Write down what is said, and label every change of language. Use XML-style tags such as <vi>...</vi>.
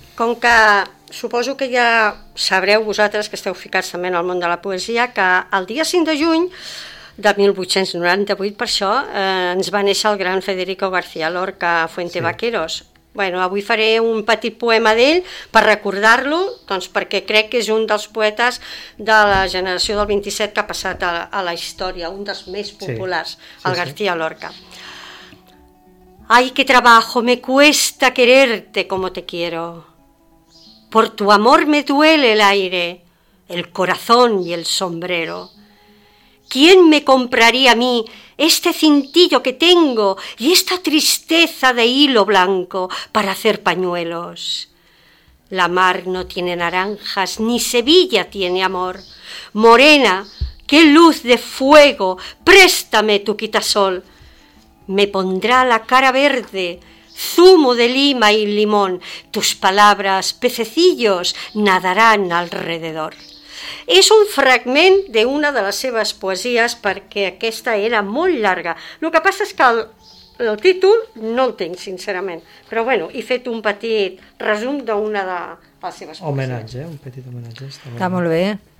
<ca>Com que suposo que ja sabreu vosaltres que esteu ficats també en el món de la poesia, que el dia 5 de juny de 1898, per això, ens va néixer el gran Federico García Lorca Fuente sí. Vaqueros. Bueno, avui faré un petit poema d'ell per recordar-lo, doncs perquè crec que és un dels poetes de la generació del 27 que ha passat a la història, un dels més populars, sí. Sí, el García sí. Lorca.</ca> <es>Ay, qué trabajo me cuesta quererte como te quiero. Por tu amor me duele el aire, el corazón y el sombrero. ¿Quién me compraría a mí este cintillo que tengo y esta tristeza de hilo blanco para hacer pañuelos? La mar no tiene naranjas, ni Sevilla tiene amor. Morena, qué luz de fuego, préstame tu quitasol. Me pondrá la cara verde, zumo de lima y limón. Tus palabras, pececillos, nadarán alrededor.</es> <ca>És un fragment d'una de les seves poesies, perquè aquesta era molt llarga. El que passa és que el títol no el tinc, sincerament. Però bueno, he fet un petit resum d'una de les seves poesies. Homenatge, un petit homenatge. Està molt bé.</ca>